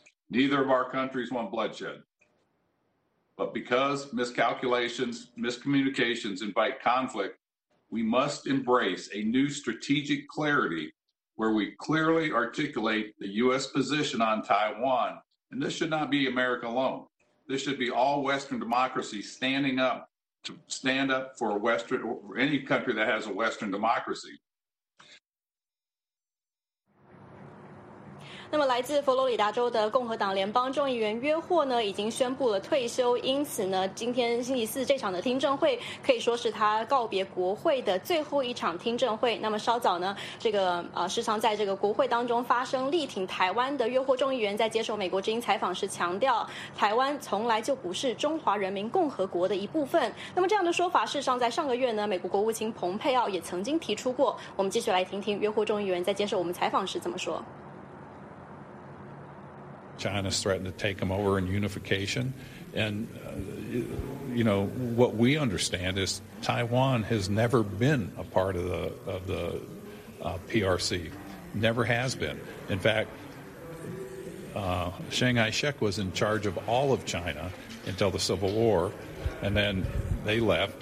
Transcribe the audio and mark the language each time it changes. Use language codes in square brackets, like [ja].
[en] Neither of our countries want bloodshed. But because miscalculations, miscommunications invite conflict, we must embrace a new strategic clarity where we clearly articulate the U.S. position on Taiwan. And this should not be America alone. This should be all Western democracies standing up to stand up for Western or any country that has a Western democracy. [zh] 那么来自佛罗里达州的共和党联邦众议员约霍呢已经宣布了退休，因此呢今天星期四这场的听证会可以说是他告别国会的最后一场听证会。那么稍早呢这个时常在这个国会当中发声力挺台湾的约霍众议员在接受美国之音采访时强调，台湾从来就不是中华人民共和国的一部分。那么这样的说法事实上在上个月呢美国国务卿蓬佩奥也曾经提出过。我们继续来听听约霍众议员在接受我们采访时怎么说。 [en] China's threatened to take them over in unification. And, you know, what we understand is Taiwan has never been a part of the PRC, never has been. In fact, Chiang Kai-shek was in charge of all of China until the Civil War, and then they left.